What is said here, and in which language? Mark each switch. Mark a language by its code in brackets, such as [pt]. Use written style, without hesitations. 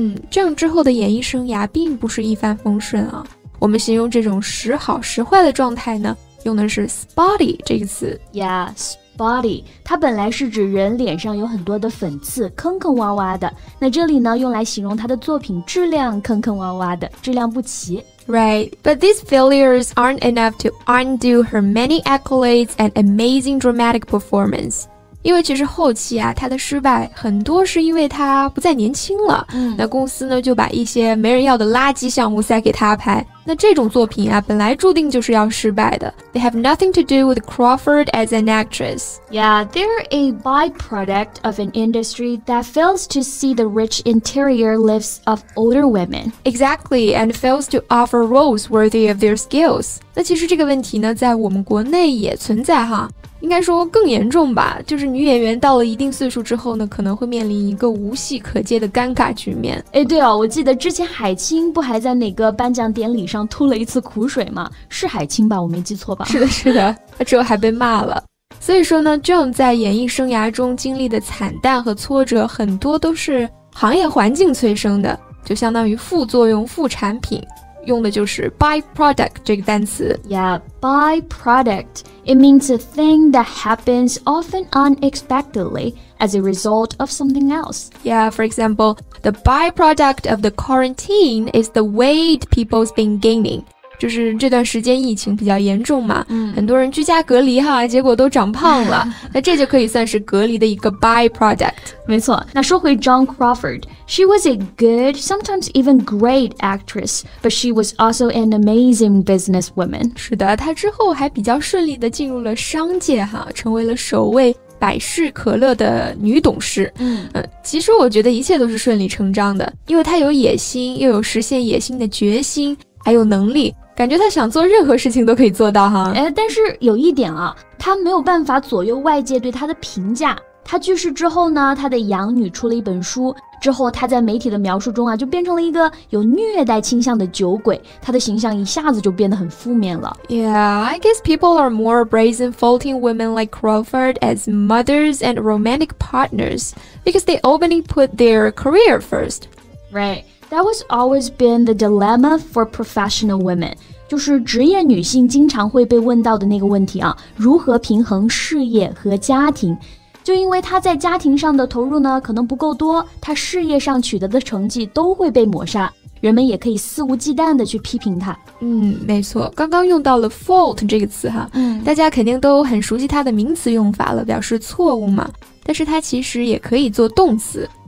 [zh] 这样之后的演艺生涯并不是一帆风顺啊。我们形容这种时好时坏的状态呢，用的是 spotty 这个词。 Yeah, spotty, 它本来是指人脸上有很多的粉刺，坑坑洼洼的。那这里呢，用来形容她的作品质量坑坑洼洼的，质量不齐。 [en] Right, but these failures aren't enough to undo her many accolades and amazing dramatic performance. [zh] 因为其实后期啊，他的失败很多是因为他不再年轻了。那公司呢就把一些没人要的垃圾项目塞给他拍。那这种作品啊，本来注定就是要失败的。 [en] They have nothing to do with Crawford as an actress. Yeah, they're a byproduct of an industry that fails to see the rich interior lives of older women. Exactly, and fails to offer roles worthy of their skills. [zh] 那其实这个问题呢，在我们国内也存在哈。应该说更严重吧，就是女演员到了一定岁数之后呢，可能会面临一个无戏可接的尴尬局面。哎，对哦，我记得之前海清不还在哪个颁奖典礼上吐了一次苦水吗？是海清吧？我没记错吧？是的，是的，她之后还被骂了。所以说呢 ，Joan 在演艺生涯中经历的惨淡和挫折，很多都是行业环境催生的，就相当于副作用、副产品。用的就是 byproduct 这个单词。 [en] Yeah, byproduct. It means a thing that happens often unexpectedly as a result of something else. Yeah, for example, the byproduct of the quarantine is the weight people's been gaining. [zh] 就是这段时间疫情比较严重嘛，很多人居家隔离哈，结果都长胖了。那这就可以算是隔离的一个 byproduct。 [en] 没错，那说回 John Crawford。She was a good, sometimes even great actress, but she was also an amazing businesswoman. [zh] 是的，她之后还比较顺利地进入了商界哈，成为了首位百事可乐的女董事。其实我觉得一切都是顺理成章的，因为她有野心，又有实现野心的决心，还有能力，感觉她想做任何事情都可以做到哈。哎，但是有一点啊，她没有办法左右外界对她的评价。她去世之后呢，她的养女出了一本书，之后她在媒体的描述中啊，就变成了一个有虐待倾向的酒鬼，她的形象一下子就变得很负面了。 [en] Yeah, I guess people are more brazen faulting women like Crawford as mothers and romantic partners because they openly put their career first. Right, that was always been the dilemma for professional women. [zh] 就是职业女性经常会被问到的那个问题啊，如何平衡事业和家庭？就因为她在家庭上的投入呢，可能不够多，她事业上取得的成绩都会被抹杀，人们也可以肆无忌惮地去批评她。没错，刚刚用到了 fault 这个词哈，大家肯定都很熟悉它的名词用法了，表示错误嘛，但是它其实也可以做动词。